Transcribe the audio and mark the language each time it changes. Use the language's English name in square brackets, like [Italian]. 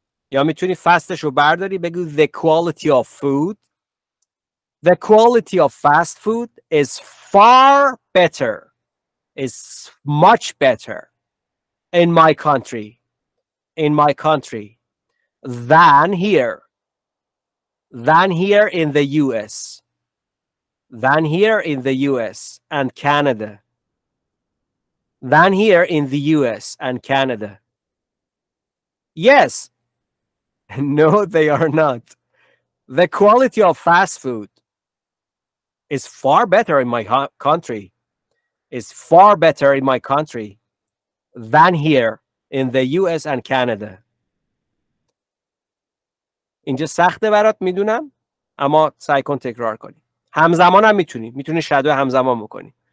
[Persian] یا میتونی فستش رو برداری بگو [English] the quality of food. The quality of fast food is far better. Is much better in my country. In my country than here. Than here in the US. Than here in the US and Canada. Than here in the US and Canada. Yes. No, they are not. The quality of fast food is far better in my country. Is far better in my country than here in the US and Canada. [Persian] اینجا سخته برات میدونم، اما سعی کن تکرار کنی. همزمان هم میتونی. میتونی شادو همزمان بکنی.